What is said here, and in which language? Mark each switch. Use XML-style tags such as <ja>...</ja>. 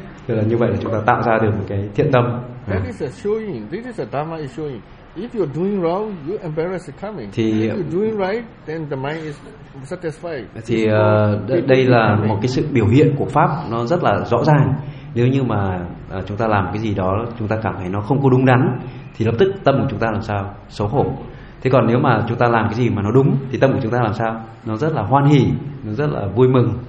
<vi>Thế là như vậy là chúng ta tạo ra được một cái thiện tâm.</vi> <en>That is a showing. This is a dharma is showing. If you're doing wrong, you embarrass the coming.</en> <vi>Thì,</vi> <en>if you're doing right, then the mind is satisfied.</en> <vi>Thì đây là một cái sự biểu hiện của pháp, nó rất là rõ ràng. Nếu như mà chúng ta làm cái gì đó, chúng ta cảm thấy nó không có đúng đắn, thì lập tức tâm của chúng ta làm sao? Xấu hổ. Thế còn nếu mà chúng ta làm cái gì mà nó đúng, thì tâm của chúng ta làm sao? Nó rất là hoan hỉ, nó rất là vui mừng.</vi>